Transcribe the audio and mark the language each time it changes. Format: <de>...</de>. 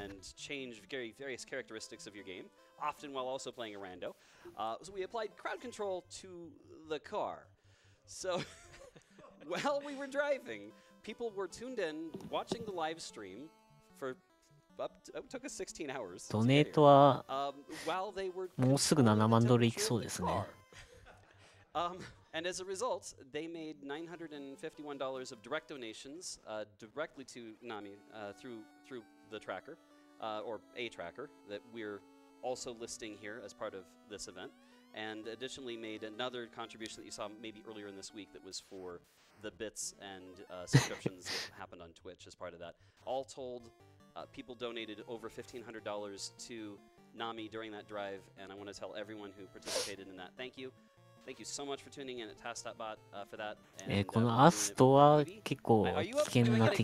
<en>And change very various characteristics of your game, often while also playing a rando. So we applied crowd control to the car. So while we were driving, people were tuned in watching the live stream for up to, it took us 16 hours.</en> <ja>ドネートはもうすぐ7万ドルいきそうですね。</ja> <en>And as a result, they made $951 of direct donations directly to Nami through the tracker, or a tracker, that we're also listing here as part of this event. And additionally made another contribution that you saw maybe earlier in this week that was for the bits and subscriptions that happened on Twitch as part of that. All told, people donated over $1,500 to Nami during that drive, and I want to tell everyone who participated in that, thank you. Thank you so much for tuning in at TASBot for that.</en> <ja>And, このアストは結構危険な敵み</ja>